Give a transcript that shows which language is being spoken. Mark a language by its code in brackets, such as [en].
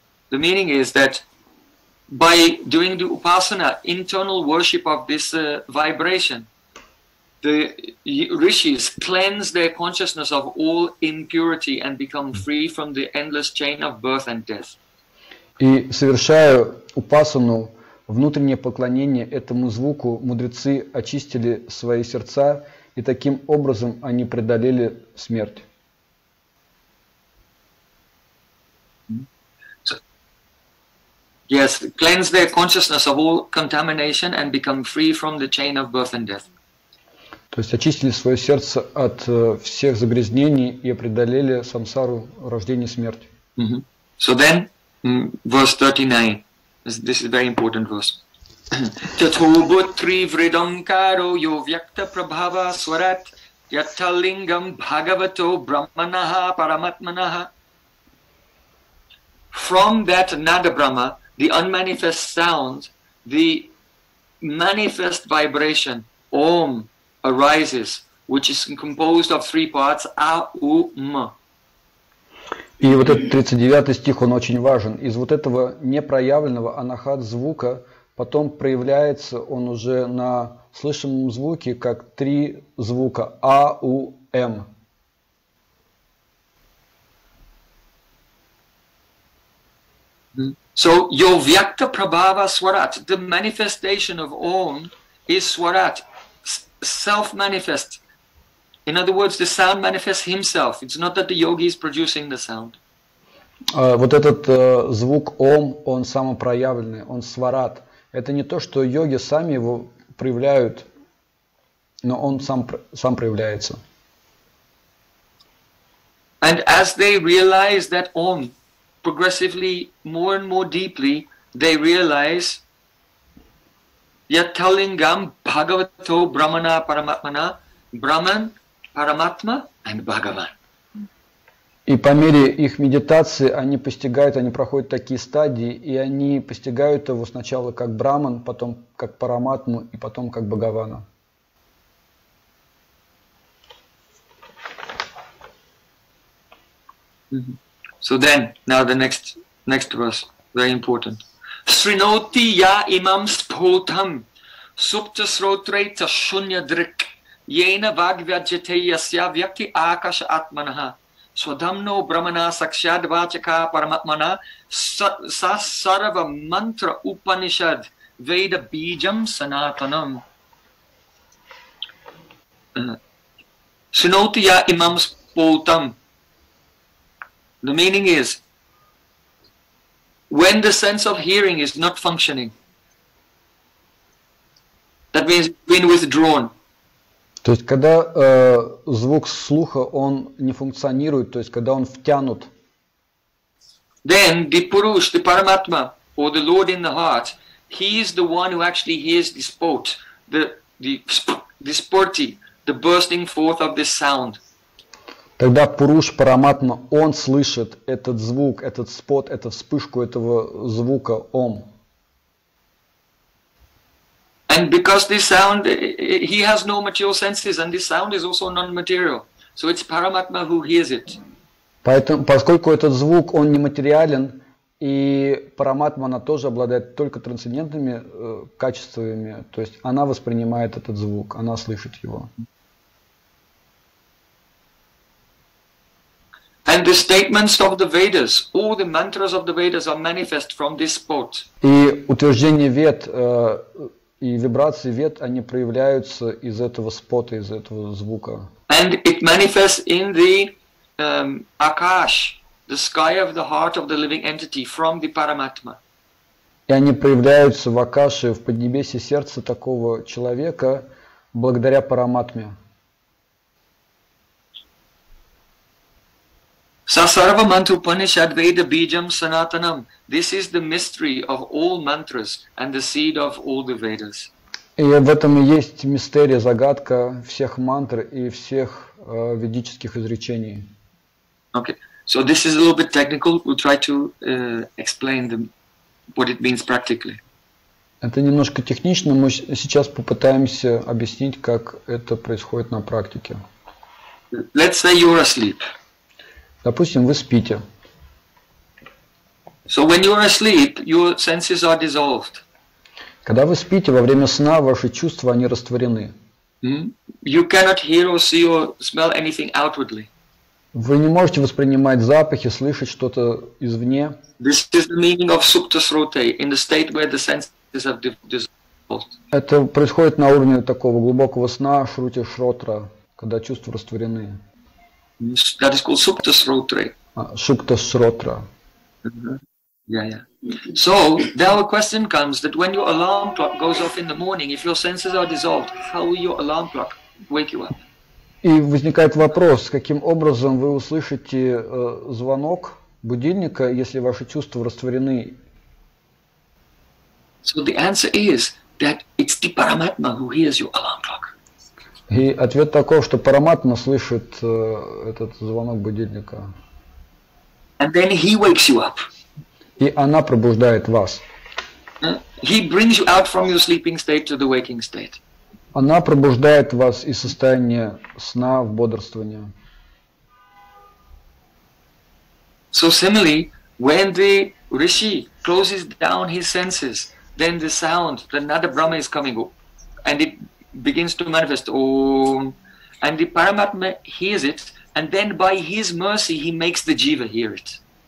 [en] The meaning is that by doing the upasana, internal worship of this vibration, the rishis cleanse their consciousness of all impurity and become free from the endless chain of birth and death. [ru] И совершая упасану, внутреннее поклонение этому звуку, мудрецы очистили свои сердца, и таким образом они преодолели смерть. [en] Yes, cleanse their consciousness of all contamination and become free from the chain of birth and death. [ru] То есть очистили свое сердце от всех загрязнений и преодолели самсару рождения и смерти. [en] Mm-hmm. So then, verse 39. This is a very important verse. [sa] Tato buttri vridankaro yo vyakta prabhava swarat yattalingam bhagavato brahmanaha paramatmanaha. [en] From that nada brahma, the unmanifest sound, the manifest vibration, Om, arises, which is composed of three parts, a, u, m. [ru] И вот этот 39 стих, он очень важен. Из вот этого непроявленного анахат звука потом проявляется он уже на слышим звуки, как три звука А, У, М. [en] So [sa] yo vyakta prabhava swarat, [en] the manifestation of Om is swarat, self-manifest. In other words, the sound manifests himself. It's not that the yogi is producing the sound. [ru] Вот этот звук Ом, он самопроявленный, он сварат. Это не то, что йоги сами его проявляют, но он сам проявляется. [en] And as they realize that Om, progressively, more and more deeply, they realize [sa] Yattalingam Bhagavato Brahmana Paramatmana, [en] Brahman, Paramatma and Bhagavan. [ru] И по мере их медитации они постигают, они проходят такие стадии, и они постигают его сначала как Брахман, потом как Параматму и потом как Бхагавана. [en] So then, now the next verse, very important. [sa] Srinoti ya imam spultam supta srotreta shunya drik yena vagvyajate yasya vyakti akasha atmanaha Swadhamno Brahmana Sakshadvachaka Paramatmana Sasarava Mantra Upanishad Veda Bijam Sanatanam. Sinotiya Imam Spotam. [en] The meaning is, when the sense of hearing is not functioning, that means been withdrawn. [ru] То есть, когда звук слуха, он не функционирует, то есть, когда он втянут. [en] Then the Purush, the Paramatma, or the Lord in the heart, he is the one who actually hears the spot, the spurti, the bursting forth of this sound. [ru] Тогда Пуруш, Параматма, он слышит этот звук, этот спот, эту вспышку этого звука, Ом. [en] And because this sound, he has no material senses, and this sound is also non-material. So it's Paramatma who hears it. [ru] Поэтому, поскольку этот звук, он нематериален, и Параматма, она тоже обладает только трансцендентными качествами, то есть она воспринимает этот звук, она слышит его. [en] And the statements of the Vedas, all the mantras of the Vedas are manifest from this spot. [ru] И утверждение Вед, и вибрации Вед, они проявляются из этого спота, из этого звука. [en] And it manifests in the Akash, the sky of the heart of the living entity, from the Paramatma. [ru] И они проявляются в Акаше, в поднебесье сердца такого человека, благодаря Параматме. [sa] Sasarva Mantra Upanishad Veda Bijam Sanatanam. [en] This is the mystery of all mantras and the seed of all the Vedas. [ru] И в этом и есть мистерия, загадка всех мантр и всех ведических изречений. [en] Okay, so this is a little bit technical. We'll try to explain them, what it means practically. [ru] Это немножко технично. Мы сейчас попытаемся объяснить, как это происходит на практике. [en] Let's say you're asleep. [ru] Допустим, вы спите. [en] So when you are asleep, your senses are dissolved. [ru] Когда вы спите, во время сна ваши чувства они растворены. [en] You cannot hear or see or smell anything outwardly. [ru] Вы не можете воспринимать запахи, слышать что-то извне. [en] This is the meaning of [sa] supta srote, [en] in the state where the senses have dissolved. [ru] Это происходит на уровне такого глубокого сна, шрути шротра, когда чувства растворены. [en] That is called [sa] supta srotre. Supta srotra. [en] So now a question comes that when your alarm clock goes off in the morning, if your senses are dissolved, how will your alarm clock wake you up? [ru] И возникает вопрос, каким образом вы услышите звонок будильника, если ваши чувства растворены? [en] So the answer is that it's the Paramatma who hears your alarm clock. [ru] И ответ таков, что Параматма слышит этот звонок будильника. [en] And then he wakes you up. [ru] И она пробуждает вас. [en] He brings you out from your sleeping state to the waking state. [ru] Она пробуждает вас из состояния сна в бодрствование. [en] So similarly, when the Rishi closes down his senses, then the sound, the Nada Brahma is coming up, and it begins to manifest. Om. And the Paramatma hears it, and then by his mercy he makes the jiva hear it.